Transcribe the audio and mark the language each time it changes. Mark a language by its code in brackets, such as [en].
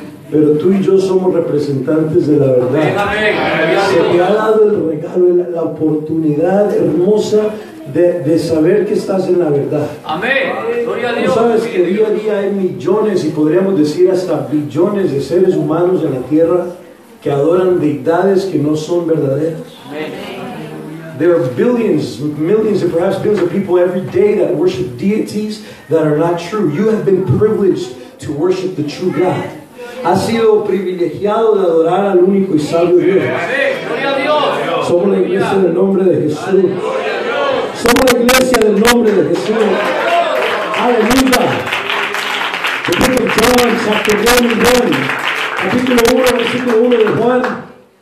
[es] Pero tú y yo somos representantes de la verdad. Se te ha dado el regalo, la oportunidad hermosa de saber que estás en la verdad. Amén. Gloria a Dios. Tú sabes que día a día hay millones, y podríamos decir hasta billones, de seres humanos en la tierra que adoran deidades que no son verdaderas. [en] There are billions, millions, and perhaps billions of people every day that worship deities that are not true. You have been privileged to worship the true God. [es] Ha sido privilegiado de adorar al único y sabio Dios. Gloria a Dios. Somos la iglesia del nombre de Jesús. Somos la iglesia del nombre de Jesús. Aleluya. El [en] book of John, chapter 1 and 1. [es] Capítulo 1, versículo 1 de Juan.